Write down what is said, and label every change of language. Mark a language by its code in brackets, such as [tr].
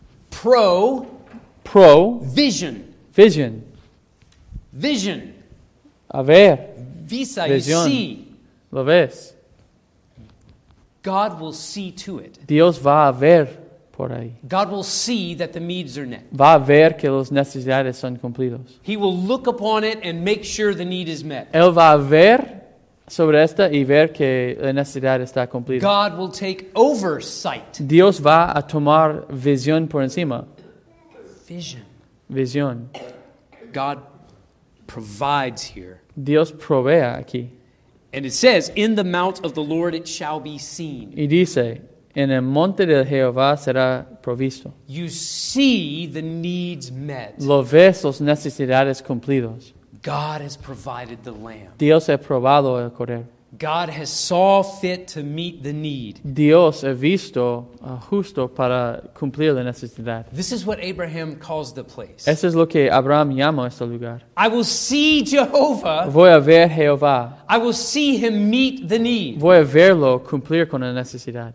[en] Pro. Vision. Vision. Vision. [es] A ver. [en] Visa, vision. You see. [es] Lo ves. [en] God will see to it. [es] Dios va a ver por ahí. [en] God will see that the needs are met. [es] Va a ver que las necesidades son cumplidos. [en] He will look upon it and make sure the need is met. [es] Él va a ver sobre esta y ver que la necesidad está cumplida. [en] God will take oversight. [es] Dios va a tomar visión por encima. [en] Vision. [es] Visión. [en] God provides here. [es] Dios provee aquí. [en] And it says, in the mount of the Lord it shall be seen. [es] Y dice, en el monte de Jehová será provisto. [en] You see the needs met. [es] Lo ves las necesidades cumplidas. [en] God has provided the lamb. [es] Dios ha probado el cordero. [en] God has saw fit to meet the need. [es] Dios ha visto justo para cumplir la necesidad. [en] This is what Abraham calls the place. [es] Eso es lo que Abraham llama este lugar. [en] I will see Jehovah. [es] Voy a ver Jehová. [en] I will see him meet the need. [es] Voy a verlo cumplir con la necesidad.